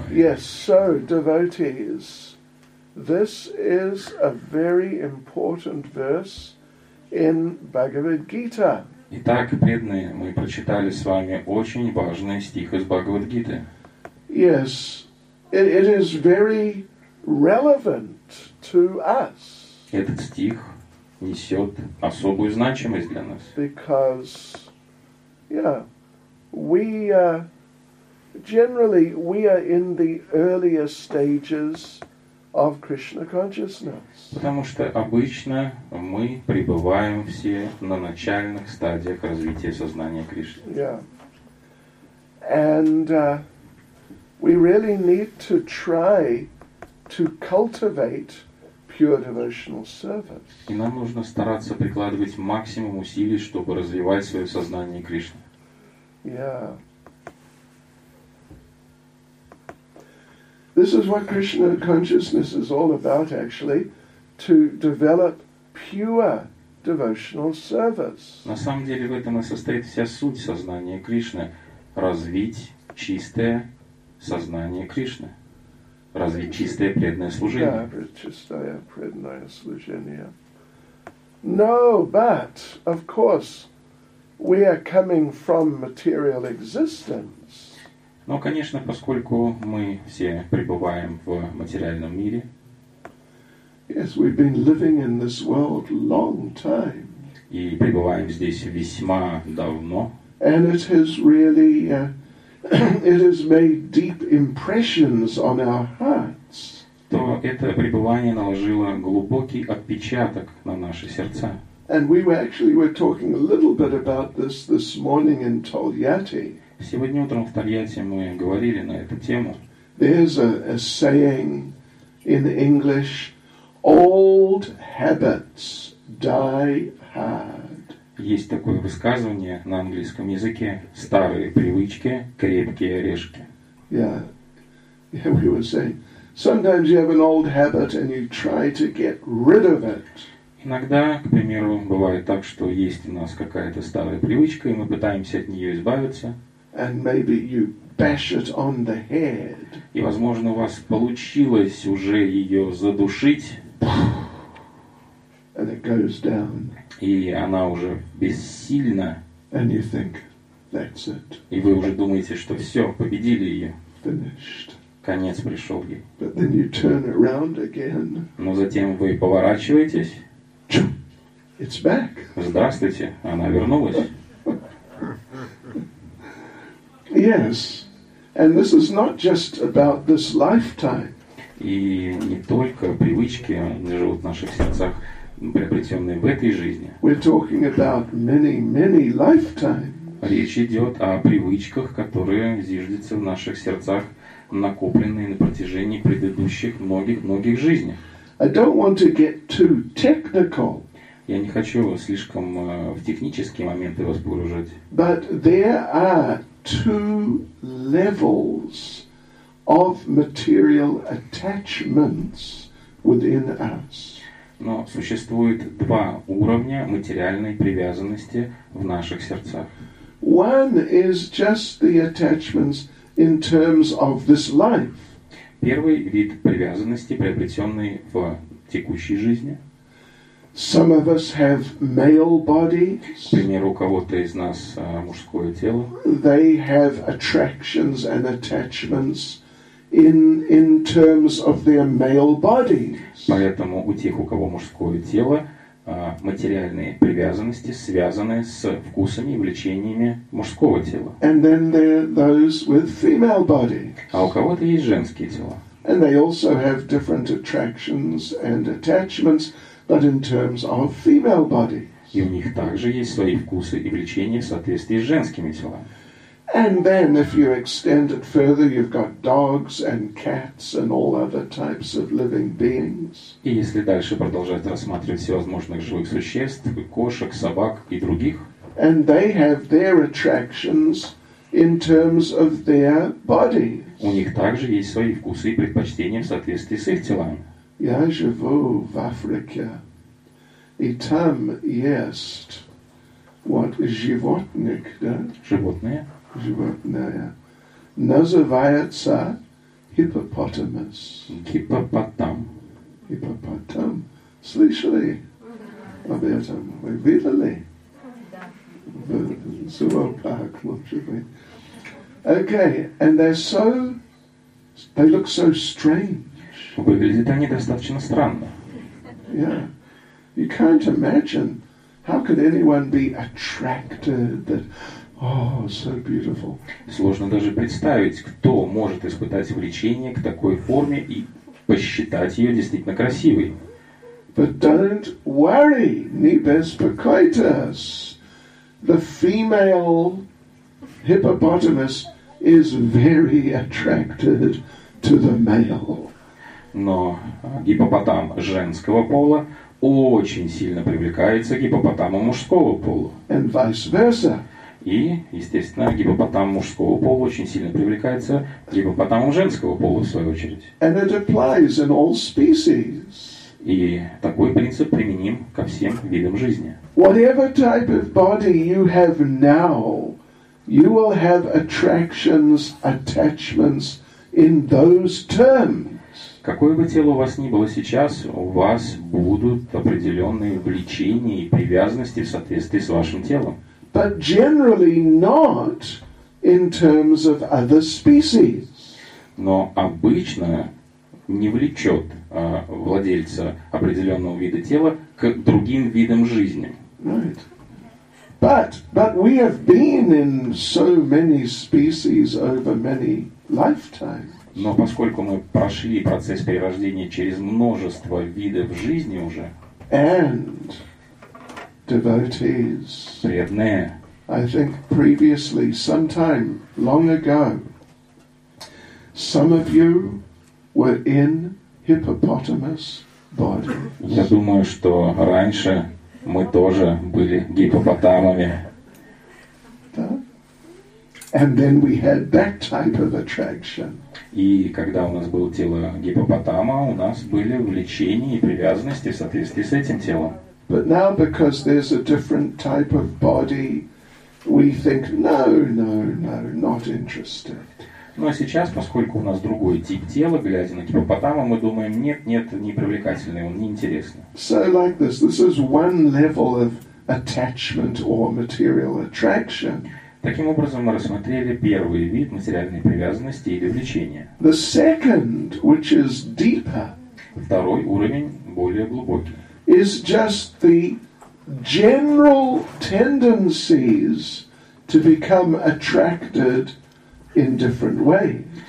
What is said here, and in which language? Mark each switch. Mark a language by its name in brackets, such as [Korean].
[English] Yes, so devotees, this is a very important verse in Bhagavad Gita. [Russian] Итак, преданные, мы прочитали с вами очень важный стих из Бхагавад Гиты. [English] Yes, it is very relevant to us. [Russian] Этот стих несет особую значимость для нас. [English] Because, yeah, we generally we are in the earlier stages of Krishna consciousness. [Russian] Потому что обычно мы пребываем все на начальных стадиях развития сознания Кришны. [English] Yeah. And we really need to try to cultivate pure devotional service. [Russian] И нам нужно стараться прикладывать максимум усилий, чтобы развивать свое сознание Кришны. [English] Yeah. This is what Krishna consciousness is all about, actually, to develop pure devotional service. [Russian] На самом деле в этом и состоит вся суть сознания Кришны — развить чистое сознание Кришны, развить чистое преданное служение. Да, чистое преданное служение. [English] No, but of course, we are coming from material existence. [Russian] Но, конечно, поскольку мы все пребываем в материальном мире, [English] yes, we've been living in this world long time. [Russian] И пребываем здесь весьма давно. [English] And it has really, it has made deep impressions on our hearts. [Russian] То это пребывание наложило глубокий отпечаток на наши сердца. [English] And we were actually were talking a little bit about this this morning in Tolyatti. [Russian] Сегодня утром в Тольятти мы говорили на эту тему. [English] There's a saying in English: old habits die hard. [Russian] Есть такое высказывание на английском языке: старые привычки крепкие орешки. [English] Yeah, we were saying. Sometimes you have an old habit and you try to get rid of it. [Russian] Иногда, к примеру, бывает так, что есть у нас какая-то старая привычка, и мы пытаемся от нее избавиться. [English] And maybe you bash it on the head. [Russian] И, возможно, у вас получилось уже ее задушить. [English] And it goes down. [Russian] И она уже бессильна. [English] And you think, that's it. [Russian] И вы уже думаете, что все, победили ее. [English] Finished. [Russian] Конец пришел ей. [English] But then you turn around again. [Russian] Но затем вы поворачиваетесь. [English] It's back. [Russian] Здравствуйте, она вернулась. [English] Yes, and this is not just about this lifetime. [Russian] И не только привычки живут в наших сердцах, приобретенные в этой жизни. [English] We're talking about many, many lifetimes. [Russian] Речь идет о привычках, которые зиждятся в наших сердцах, накопленные на протяжении предыдущих многих-многих жизней. [English] I don't want to get too technical. [Russian] Я не хочу слишком в технические моменты вас погружать. [English] But there are two levels of material attachments within us. [Russian] Но существует два уровня материальной привязанности в наших сердцах. [English] One is just the attachments in terms of this life. [Russian] Первый вид привязанности, приобретенный в текущей жизни. [English] Some of us have male bodies. [Russian] К примеру, у кого-то из нас мужское тело. [English] They have attractions and attachments in terms of their male bodies. [Russian] Поэтому у тех, у кого мужское тело, материальные привязанности связаны с вкусами и влечениями мужского тела. [English] And then there are those with female bodies. [Russian] А у кого-то есть женские тела. [English] And they also have different attractions and attachments, but in terms of female bodies. [Russian] И у них также есть свои вкусы и влечения в соответствии с женскими телами. [English] And then if you extend it further, you've got dogs and cats and all other types of living beings. [Russian] И если дальше продолжать рассматривать всевозможных живых существ, кошек, собак и других. [English] And they have their attractions in terms of their bodies. [Russian] У них также есть свои вкусы и предпочтения в соответствии с их телами. Я живу в Африке. И там есть вот животник, да? Животные. Животное называется hippopotamus. Hippopotam. Hippopotam. Слышали об этом? Вы видели? Да. Зоопарк, может быть. [English] Okay, and they're so, they look so strange. [Russian] Выглядят они достаточно странно. [English] Yeah. You can't imagine how could anyone be attracted that. Oh, so beautiful. [Russian] Сложно даже представить, кто может испытать влечение к такой форме и посчитать ее действительно красивой. [English] But don't worry, [Russian] не беспокойтесь. [English] The female hippopotamus is very attracted to the male. [Russian] Но гиппопотам женского пола очень сильно привлекается к гиппопотаму мужского пола. [English] And vice versa. [Russian] И, естественно, гиппопотам мужского пола очень сильно привлекается к гиппопотаму женского пола, в свою очередь. [English] And it applies in all species. [Russian] И такой принцип применим ко всем видам жизни. [English] Whatever type of body you have now, you will have attractions, attachments in those terms. [Russian] Какое бы тело у вас ни было сейчас, у вас будут определенные влечения и привязанности в соответствии с вашим телом. [English] But generally not in terms of other species. [Russian] Но обычно не влечет владельца определенного вида тела к другим видам жизни. [English] Right. But we have been in so many species over many lifetimes. [Russian] Но поскольку мы прошли процесс перерождения через множество видов жизни уже, [English] and devotees, [Russian] преданные, [English] I think previously, sometime long ago, some of you were in hippopotamus bodies. [Russian] Я думаю, что раньше мы тоже были гиппопотамами. [English] And then we had that type of attraction. [Russian] И когда у нас было тело гиппопотама, у нас были влечения и привязанности в соответствии с этим телом. [English] But now, because there's a different type of body, we think, no, not interested. [Russian] Ну а сейчас, поскольку у нас другой тип тела, глядя на гиппопотама, мы думаем, нет, не привлекательный, он не интересный. [English] So like this, this is one level of attachment or material attraction. [Russian] Таким образом, мы рассмотрели первый вид материальной привязанности или влечения. [English] The second, which is deeper, [Russian] второй уровень, более глубокий, [English] is just the general tendencies to become attracted in different ways.